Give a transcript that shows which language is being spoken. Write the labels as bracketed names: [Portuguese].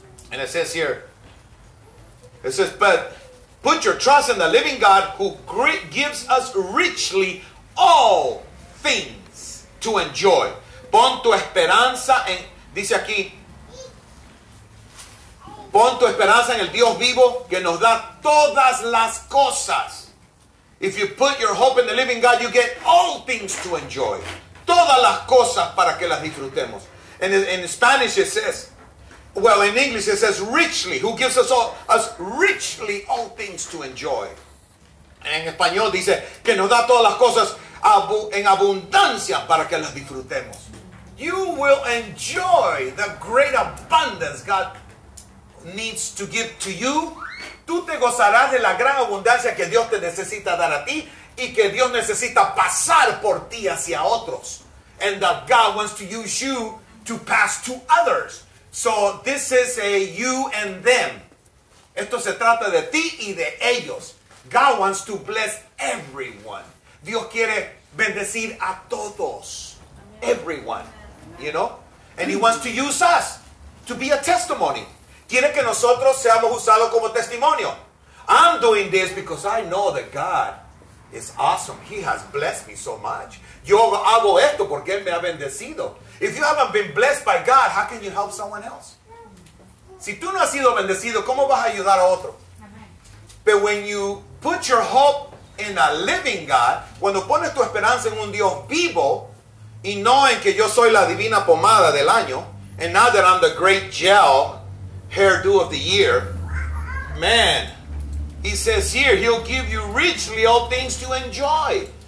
[English] And it says here, it says, but put your trust in the living God who gives us richly all things to enjoy. [Spanish] Pon tu esperanza en, dice aquí, pon tu esperanza en el Dios vivo que nos da todas las cosas. [English] If you put your hope in the living God, you get all things to enjoy. Todas las cosas para que las disfrutemos. And in Spanish it says, well, in English it says richly, who gives us all, us richly all things to enjoy. [Spanish] En español dice, que nos da todas las cosas en abundancia para que las disfrutemos. [English] You will enjoy the great abundance God needs to give to you. [Spanish] Tú te gozarás de la gran abundancia que Dios te necesita dar a ti y que Dios necesita pasar por ti hacia otros. [English] And that God wants to use you to pass to others. So this is a you and them. [Spanish] Esto se trata de ti y de ellos. [English] God wants to bless everyone. Dios quiere bendecir a todos. Everyone. You know? And he wants to use us to be a testimony. Quiere que nosotros seamos usados como testimonio. I'm doing this because I know that God is awesome. He has blessed me so much. [Spanish] Yo hago esto porque Él me ha bendecido. [English] If you haven't been blessed by God, how can you help someone else? [Spanish] Si tú no has sido bendecido, ¿cómo vas a ayudar a otro? [English] But when you put your hope in a living God, cuando pones tu esperanza en un Dios vivo, y no en que yo soy la divina pomada del año, and now that I'm the great gel hairdo of the year, man, he says here, he'll give you richly all things to enjoy.